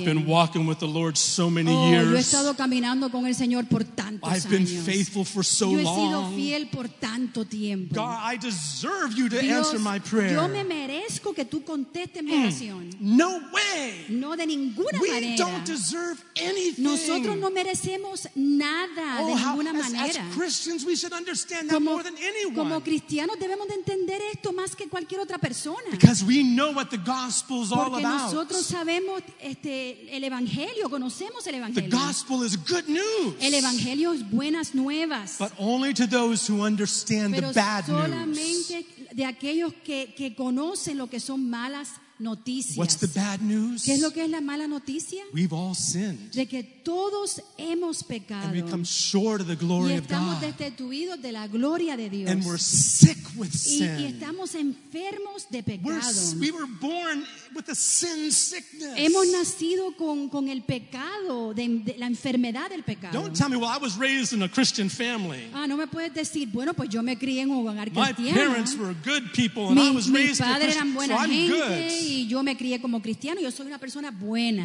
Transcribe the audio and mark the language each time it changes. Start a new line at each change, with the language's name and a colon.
English: I've been walking with the Lord so many years.
Spanish: Yo he estado caminando con el Señor por tantos años.
English: I've been faithful for so long.
Spanish: Yo he sido fiel por tanto tiempo.
English: God, I deserve you to answer my prayer.
Spanish: Yo me merezco que tú contestes mi oración.
English: No way.
Spanish: No de ninguna
English: we
Spanish: manera.
English: We don't deserve anything.
Spanish: Nosotros no merecemos nada de ninguna manera.
English: As Christians, we should understand that more than anyone.
Spanish: Como cristianos debemos de entender esto más que cualquier otra persona.
English: Because we know what the gospel is all about.
Spanish: Porque nosotros sabemos el evangelio, conocemos el evangelio.
English: The gospel is good news.
Spanish: El evangelio es buenas nuevas.
English: But only to those who understand the bad news.
Spanish: Pero solamente de aquellos que conocen lo que son malas noticias.
English: What's the bad news?
Spanish: ¿Qué es lo que es la mala noticia?
English: We've all sinned.
Spanish: De que todos hemos pecado.
English: And we come short of the glory of God.
Spanish: Y estamos destituidos de la gloria de Dios.
English: And we're sick with sin.
Spanish: Y estamos enfermos de pecado.
English: We were born with a sin sickness.
Spanish: Hemos nacido con el pecado, de la enfermedad del pecado.
English: Don't tell me, well, I was raised in a Christian family.
Spanish: Ah, no me puedes decir, bueno, pues yo me crié en un hogar cristiano.
English: My parents were good people, and I was raised in a Christian family. So I'm good.
Spanish: Y yo me crié como cristiano, yo soy una persona buena.